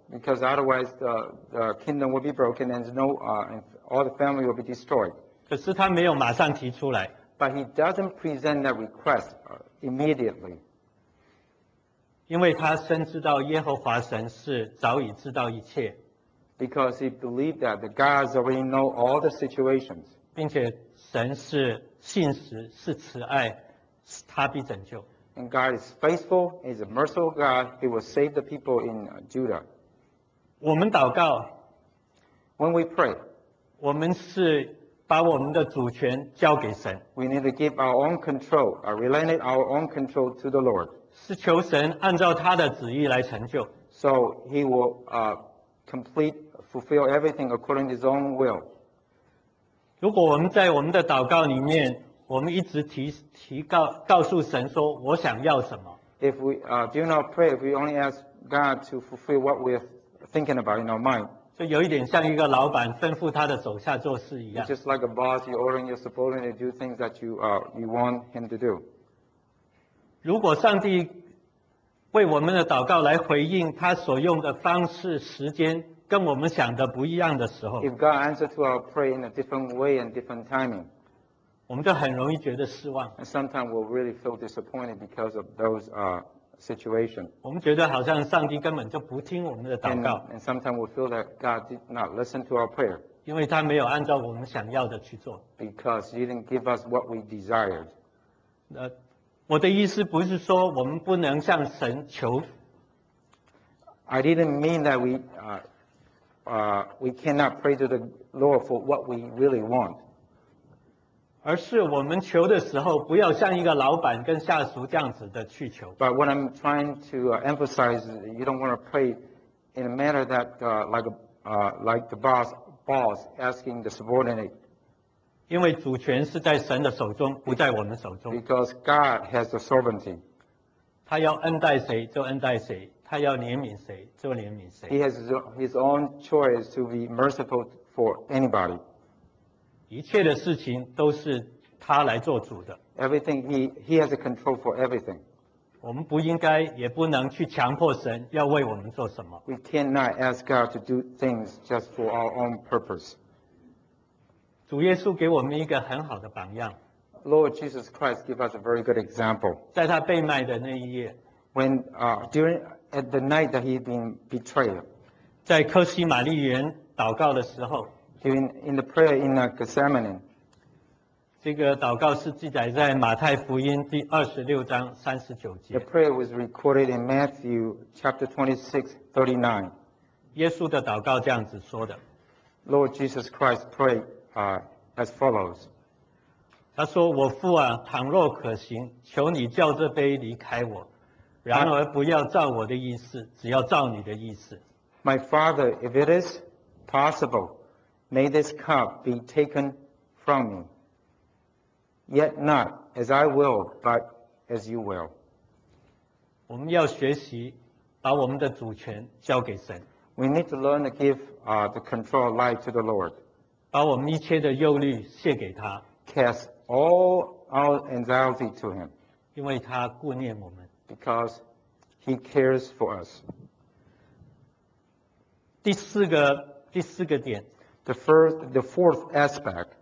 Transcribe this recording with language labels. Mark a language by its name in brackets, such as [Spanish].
[English] Because otherwise, the kingdom will be broken and all the family will be destroyed. [Chinese] 可是他没有马上提出来。 [English] But he doesn't present that request immediately. [Chinese] 因为他深知道耶和华神是早已知道一切。 [English] Because he believed that the gods already know all the situations. [Chinese] 并且神是信实，是慈爱，他必拯救。 [English] And God is faithful, he's a merciful God, he will save the people in Judah. [Chinese] 我们祷告。 [English] When we pray. [Chinese] 我们是把我们的主权交给神。 [English] We need to give our own control, relinquish our own control to the Lord. [Chinese] 是求神按照他的旨意来成就。 [English] So he will fulfill everything according to his own will. [Chinese] 如果我们在我们的祷告里面，我们一直告诉神说我想要什么。 [English] If we do not pray, if we only ask God to fulfill what we're thinking about in our mind, [Chinese] 就有一点像一个老板吩咐他的手下做事一样。 [English] Just like a boss, you're ordering your subordinate to do things that you want him to do. [Chinese] 如果上帝为我们的祷告来回应他所用的方式时间跟我们想的不一样的时候 [English] If God answered to our prayer in a different way and different timing [Chinese] 我们就很容易觉得失望 [English] And sometimes we'll really feel disappointed because of those situations [Chinese] 我们觉得好像上帝根本就不听我们的祷告 [English] And sometimes we'll feel that God did not listen to our prayer [Chinese] 因为他没有按照我们想要的去做 [English] Because he didn't give us what we desired [Chinese] 我的意思不是说我们不能向神求。 [English] I didn't mean that we cannot pray to the Lord for what we really want. [Chinese] 而是我们求的时候不要像一个老板跟下属这样子的去求。 [English] But what I'm trying to emphasize is you don't want to pray in a manner that like the boss asking the subordinate. [Chinese] 因为主权是在神的手中，不在我们手中。 [English] Because God has the sovereignty. [Chinese] 他要恩待谁就恩待谁，他要怜悯谁就怜悯谁。 [English] He has his own choice to be merciful for anybody. [Chinese] 一切的事情都是他来做主的。 [English] Everything he has the control for everything. [Chinese] 我们不应该也不能去强迫神要为我们做什么。 [English] We cannot ask God to do things just for our own purpose. [Chinese] 主耶稣给我们一个很好的榜样。 [English] Lord Jesus Christ gave us a very good example. [Chinese] 在他被卖的那一夜。 [English] When, during, at the night that he had been betrayed. [Chinese] 在科西玛利园祷告的时候。 [English] During, in the prayer in Gethsemane. [Chinese] 这个祷告是记载在马太福音第26章39节。 [English] The prayer was recorded in Matthew chapter 26:39. [Chinese] 耶稣的祷告这样子说的。 [English] Lord Jesus Christ prayed. As follows. [Chinese] 他说我父啊倘若可行求你叫这杯离开我然而不要照我的意思只要照你的意思。 [English] My father, if it is possible, may this cup be taken from me. Yet not as I will, but as you will. [Chinese] 我们要学习把我们的主权交给神。 [English] We need to learn to give the control of life to the Lord. [Chinese] 把我们一切的忧虑卸给他 [English] ，cast all our anxiety to him， [Chinese] 因为他顾念我们 [English] ，because he cares for us。 [Chinese] D 第四个点。 [English] The fourth aspect.